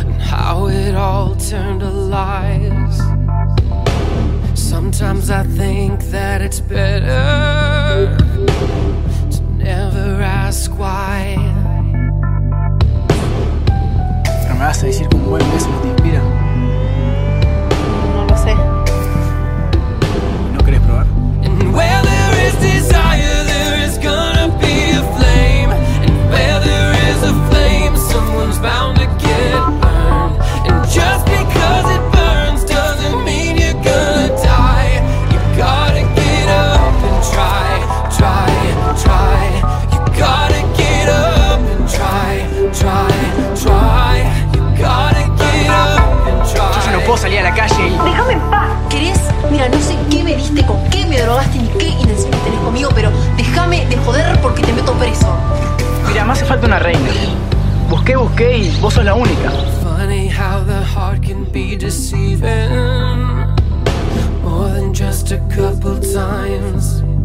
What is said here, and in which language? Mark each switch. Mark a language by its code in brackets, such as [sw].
[en] How it all turned to lies. Sometimes I think that it's better to never ask why. [es] Pero me vas a decir que un buen beso no te inspira. No lo sé. ¿No querés probar? [en] And where there is desire, there is gonna be a flame. And where there is a flame, someone's bound to get burned. And just because it burns doesn't mean you're gonna die. You gotta get up and try, try, try. You gotta get up and try, try, try. You gotta get up and try. [es] Yo ya no puedo salir a la calle. Déjame en paz. ¿Querés? Mira, no sé qué me diste, con qué me drogaste ni qué intenciones tenés conmigo, pero déjame de joder porque te meto preso. Mira, me hace falta una reina. Busqué, busqué y vos sos la única. [en] How the heart can be deceiving more than just a couple times.